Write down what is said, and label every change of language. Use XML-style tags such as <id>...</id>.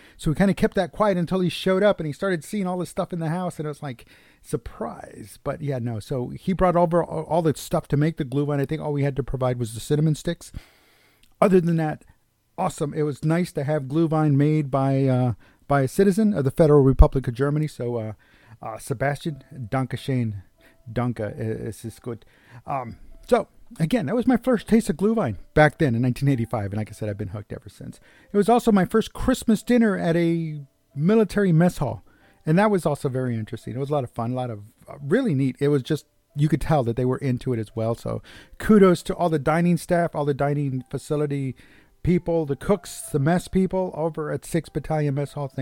<en>So we kind of kept that quiet until he showed up and he started seeing all this stuff in the house, and it was like, surprise. But yeah, no. So he brought over all the stuff to make the Glühwein. I think all we had to provide was the cinnamon sticks. Other than that, awesome. It was nice to have Glühwein made by a citizen of the Federal Republic of Germany.</en> <de>So, Sebastian, danke schön, danke, es ist gut.</de> <en>So, again, that was my first taste of Glühwein back then in 1985. And like I said, I've been hooked ever since. It was also my first Christmas dinner at a military mess hall. And that was also very interesting. It was a lot of fun, a lot of really neat. It was just, you could tell that they were into it as well. So, kudos to all the dining staff, all the dining facility people, the cooks, the mess people over at 6th Battalion Mess Hall.</en>